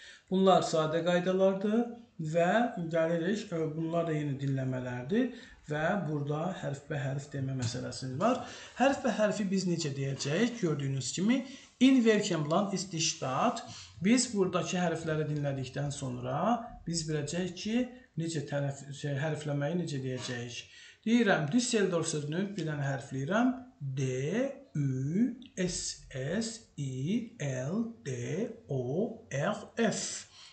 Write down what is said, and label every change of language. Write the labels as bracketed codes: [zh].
[az] Bunlar sadə qaydalardır və gəlirik, bunlar da yeni dinləmələrdir və burada hərf bə hərf demə məsələsiniz var. Hərf bə hərfi biz necə deyəcəyik? Gördüyünüz kimi [de] in welchem Land ist die Stadt? [az] Biz buradakı hərfləri dinlədikdən sonra biz biləcəyik ki necə hərfləməyi necə deyəcəyik. Deyirəm, Düsseldorf sözünü bir dənə hərfləyirəm. D, Ü, S, S, I, L, D, O, R, F.